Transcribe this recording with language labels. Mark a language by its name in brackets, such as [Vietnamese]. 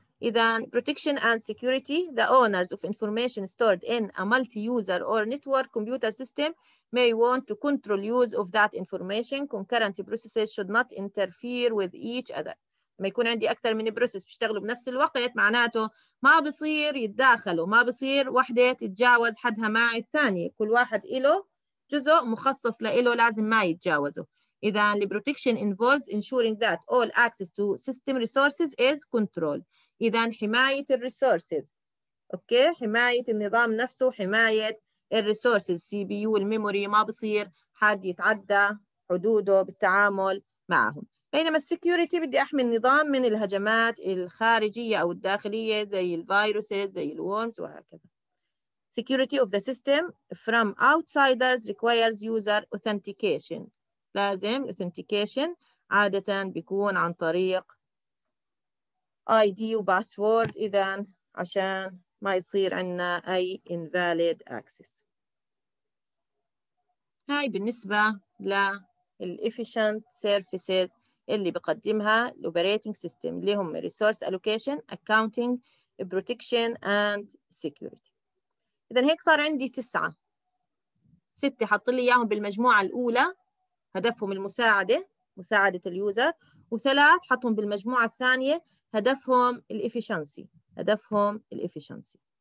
[English] إذن protection and security, the owners of information stored in a multi-user or network computer system may want to control use of that information. Concurrent processes should not interfere with each other. [Arabic] ما يكون عندي أكثر من بروسس بيشتغلوا بنفس الوقت، معناته ما بصير يتداخلوا، ما بصير وحدة تتجاوز حدها مع الثانية، كل واحد إله جزء مخصص لإله لازم ما يتجاوزه. [English] إذن protection involves ensuring that all access to system resources is controlled. [Arabic] إذن حماية الريسورسز، أوكي، حماية النظام نفسه، حماية الريسورسز، CPU الميموري ما بصير حد يتعدى حدوده بالتعامل معهم. بينما السكيورتي بدي أحمي النظام من الهجمات الخارجية أو الداخلية زي الفيروسز زي الورمز وهكذا. [English] Security of the system from outsiders requires user authentication. [Arabic] لازم authentication عادة بيكون عن طريق ID وباسورد، إذا عشان ما يصير عندنا أي invalid access. [English] هاي بالنسبة للـ efficient services [Arabic] اللي بقدمها الـ [English] operating system، اللي هم resource allocation, accounting, protection and security. [Arabic] إذا هيك صار عندي 9. 6 حط لي إياهم بالمجموعة الأولى، هدفهم المساعدة، مساعدة اليوزر، وثلاث حطهم بالمجموعة الثانية، هدفهم الإفشنسي، هدفهم الإفشنسي.